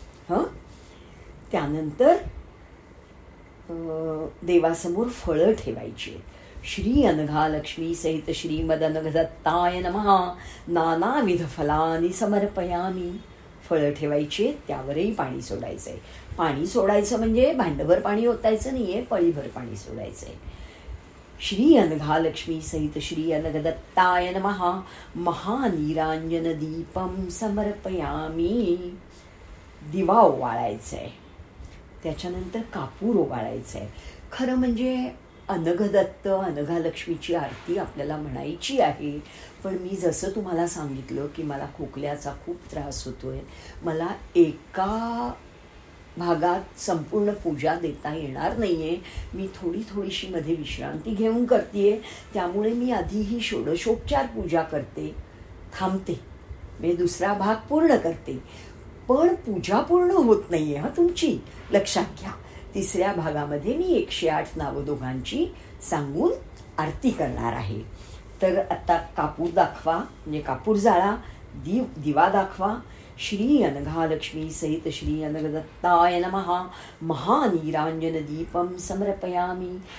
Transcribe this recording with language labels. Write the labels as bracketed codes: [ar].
[mr] ह त्यानंतर देवासमोर फळं ठेवायची आहेत. [sa] श्री अनघा लक्ष्मी सहित श्रीमद अनघ दत्ताय नमहा, नानाविध फलानी समर्पयामी. [mr] फळं ठेवायची आहेत, त्यावरही पाणी सोडायचं आहे. पाणी सोडायचं म्हणजे भांडभर पाणी ओतायचं नाही आहे, पळीभर पाणी सोडायचं आहे. [sa] श्री अनघा लक्ष्मी सहित श्री अनघ दत्ताय नमहा, महानिरांजन दीपम समर्पयामी. [mr] दिवा ओवाळायचा आहे, त्याच्यानंतर कापूर ओवाळायचं आहे. खरं म्हणजे अनघदत्त अनघालक्ष्मीची आरती आपल्याला म्हणायची आहे, पण मी जसं तुम्हाला सांगितलं की मला खोकल्याचा खूप त्रास होतो आहे, मला एका भागात संपूर्ण पूजा देता येणार नाही आहे, मी थोडी थोडीशी मध्ये विश्रांती घेऊन करते आहे, त्यामुळे मी आधी ही षोडशोपचार पूजा करते, थांबते, मी दुसरा भाग पूर्ण करते, पण पूजा पूर्ण होत नाही आहे. हा तुमची लक्षात घ्या, तिसऱ्या भागामध्ये मी 108 नावं दोघांची सांगून आरती करणार आहे. तर आता कापूर दाखवा म्हणजे कापूर जाळा, दिवा दाखवा. [sa] श्री अनघा लक्ष्मी सहित श्री अनघ दत्ताय नमहा, महानिरांजन दीपम समर्पयामी.